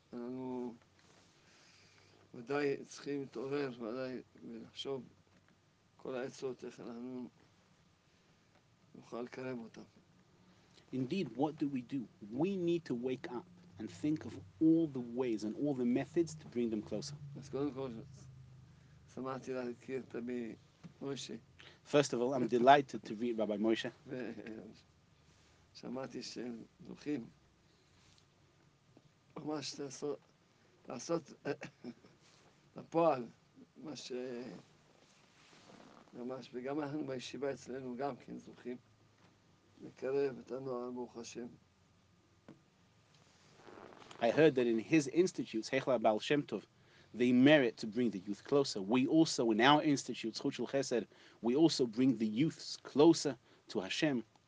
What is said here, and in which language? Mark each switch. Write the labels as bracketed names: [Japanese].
[Hebrew] אנחנו ודאי צריכים להתעורר, ודאי לחשוב כל העצות איך אנחנו נוכל לקרב אותם. [English] Indeed, what do we do? We need to wake up and think of all the ways and all the methods to bring them closer. [Hebrew] אז קודם כל, שמעתי להכיר את רבי מוישה. [English] First of all, I'm delighted to meet Rabbi Moshe. [Hebrew] שמעתי שהם זוכים ממש לעשות לפועל מה ש... ממש, וגם אנחנו בישיבה אצלנו גם כן זוכים לקרב את הנוער ברוך השם. [English] I heard that in his institutes, Heichla Baal Shem Tov, they merit to bring the youth closer. We also, in our institute, Zchut Shel Chesed, we also bring the youths closer to Hashem.